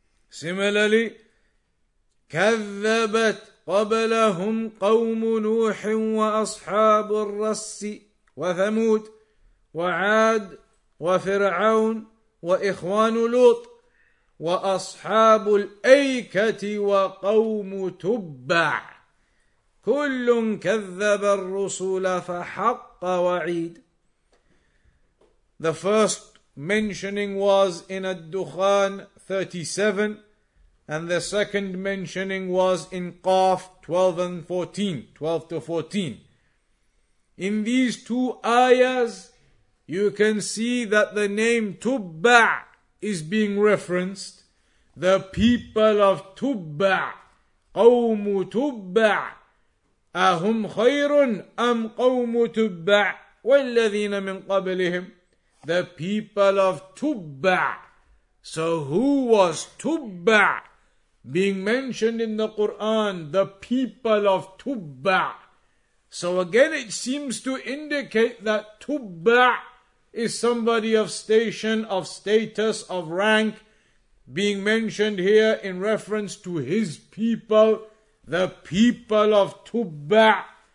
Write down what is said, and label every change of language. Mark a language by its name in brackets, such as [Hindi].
[English] Similarly, [Arabic] كذبت قبلهم قوم نوح وأصحاب الرس وثمود وعاد وفرعون وإخوان لوط وأصحاب الأيكة وقوم تبع كل كذب الرسل فحق وعيد. [English] The first mentioning was in الدخان 37, and the second mentioning was in Qaf 12 to 14. In these two ayahs, you can see that the name Tubba' is being referenced. The people of Tubba', [Arabic] قوم Tubba', أهم خير أم قوم Tubba' والذين من قبلهم. [English] The people of Tubba'. So who was Tubba' being mentioned in the Quran? The people of Tubba'. So again, it seems to indicate that Tubba' is somebody of station, of status, of rank, being mentioned here in reference to his people, the people of Tubba'.